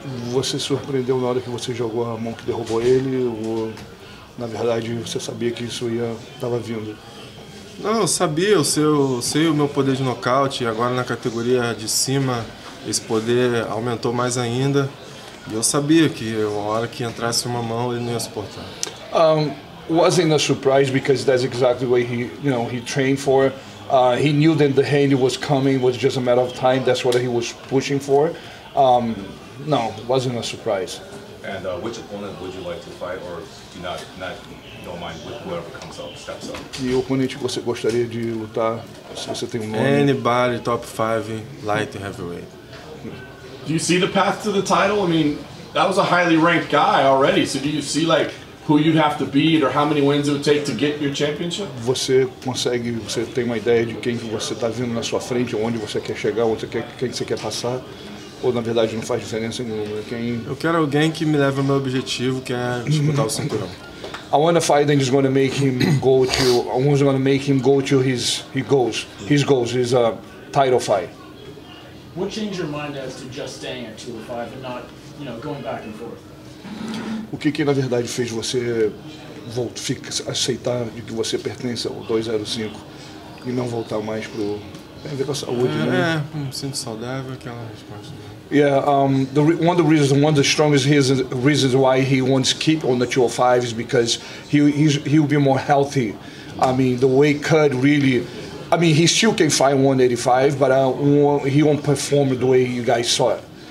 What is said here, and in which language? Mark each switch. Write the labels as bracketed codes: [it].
[pt] Você surpreendeu na hora que você jogou a mão que derrubou ele? Ou na verdade você sabia que isso ia tava vindo? Não, eu sabia. Eu sei o meu poder de nocaute. Agora na categoria de cima, esse poder aumentou mais ainda. E eu sabia que a hora que entrasse uma mão, ele não ia suportar. [en] Wasn't a surprise because that's exactly what he trained for. He knew that the hand was coming, was just a matter of time. That's what he was pushing for. No, wasn't a surprise. And which opponent would you like to fight, or don't mind with whoever comes up, steps up? [pt] E o oponente que você gostaria de lutar, se você tem nome? [en] Anybody top 5 light heavyweight. Do you see the path to the title? I mean, that was a highly ranked guy already. So do you see like who you'd have to beat or how many wins it would take to get your championship? [pt] Você consegue? Você tem uma ideia de quem que você está vendo na sua frente, onde você quer chegar, onde você quer, quem você quer passar? Ou na verdade não faz diferença nenhuma. Quem? Eu quero alguém que me leve ao meu objetivo, que é disputar o cinturão. [en] I want a fight that is going to make him go to. I want to make him go to his goals. His title fight. What changed your mind as to just staying at 205 and not, going back and forth? [pt] O que na verdade fez você aceitar de que você pertence ao 205 e não voltar mais pro tem a ver com a saúde, né? Sinto saudável aquela resposta. [en] Yeah, one of the strongest reasons why he wants to keep on the 205 is because he'll be more healthy. I mean, the way Kurt really. I mean, he still can fight 185, but he won't perform the way you guys saw it.